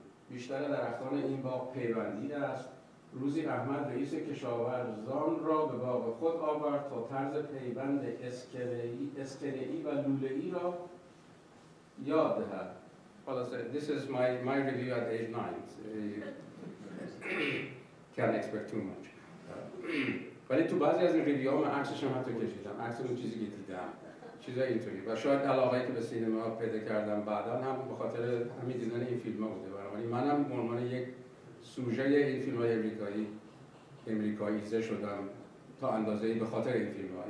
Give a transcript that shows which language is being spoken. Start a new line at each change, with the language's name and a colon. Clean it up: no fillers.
Persian: بیشتر درختان این باغ پیوندی است. روزی احمد رئیس کشاورزان را به باغ خود آورد تا طرز پیوند اسکله‌ای و لوله‌ای را یاد دهد.
English: Well, so this is my review at age 9. Can't expect too much.
Persian: ولی تو بعضی از این ریویو ها من عکسش هم حتی کشیدم. عکس اون چیزی که دیدم. چیزای اینطوری. و شاید علاقه‌ای که به سینما پیدا کردم بعداً هم به خاطر همین دیدن این فیلم ها بوده. ولی منم به عنوان یک سوژه این فیلم های امریکایی زده شدم تا اندازه‌ای به خاطر این فیلم ها.